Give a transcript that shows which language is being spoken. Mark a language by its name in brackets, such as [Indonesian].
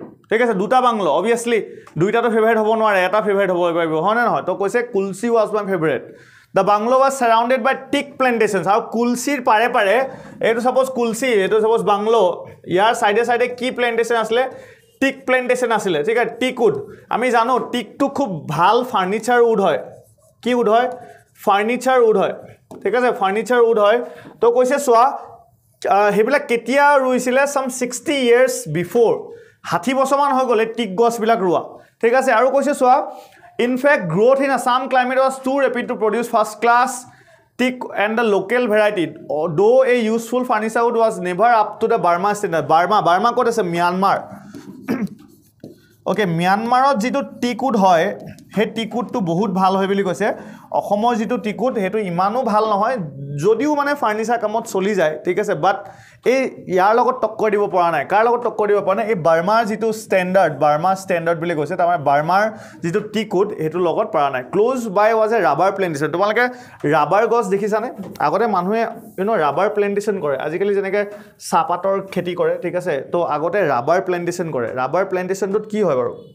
[Assamese] ঠিক আছে দুটা বাংলো অভিয়াছলি দুইটাটো ফেভাৰেট হ'ব নোৱাৰে এটা ফেভাৰেট হ'ব পাৰিব হয়নে নহয় তো কৈছে [English] Kulsi was my favourite the bungalow was surrounded by teak plantations [Assamese] আৰু কুলচিৰ পাৰে পাৰে এইটো চাপ'জ কুলচি এইটো চাপ'জ বাংলো ইয়াৰ চাইডে চাইডে কি প্লেণ্টেশ্যন আছিলে টিক প্লেণ্টেশ্যন আছিলে ঠিক আছে টিক উড আমি জানো টিকটো খুব ভাল ফাৰ্নিচাৰ উড হয় কি উড হয় ফাৰ্নিচাৰ উড হয় ঠিক আছে ফাৰ্নিচাৰ উড হয় তো কৈছে চোৱা সেইবিলাক কেতিয়া ৰুইছিলে চাম 60 years বিফৰ 60 বছৰমান হৈ গ'লে টিক গছবিলাক ৰোৱা ঠিক আছে আৰু কৈছে চোৱা [English] In fact, growth in Assam climate was too rapid to produce first-class teak and the local variety. Though a useful furniture wood was never up to the Burma standard. [Assamese] Burma ক'ত আছে Myanmar. Okay, Myanmarত যিটো teak wood হয় সেই teak woodটো বহুত ভাল হয় বুলি কৈছে অসমৰ যিটো teak wood সেইটো ইমানো ভাল নহয় যদিও মানে ফাৰ্নিচাৰ কামত চলি যায় ঠিক আছে বাট এই ইয়াৰ লগত টক্কৰ দিব পৰা নাই কাৰ লগত টক্কৰ দিব পৰা নাই এই বাৰ্মাৰ যিটো ষ্টেণ্ডাৰ্ড বাৰ্মাৰ ষ্টেণ্ডাৰ্ড বুলি কৈছে তাৰমানে বাৰ্মাৰ যিটো টিক উড সেইটোৰ লগত পৰা নাই [English] close by was a rubber plantation [Assamese] তোমালোকে ৰাবাৰ গছ দেখিছানে আগতে মানুহে ইউন' ৰাবাৰ প্লেণ্টেশ্যন কৰে আজিকালি যেনেকৈ চাহপাতৰ খেতি কৰে ঠিক আছে তো আগতে ৰাবাৰ প্লেণ্টেশ্যন কৰে ৰাবাৰ প্লেণ্টেশ্যনটোত কি হয় বাৰু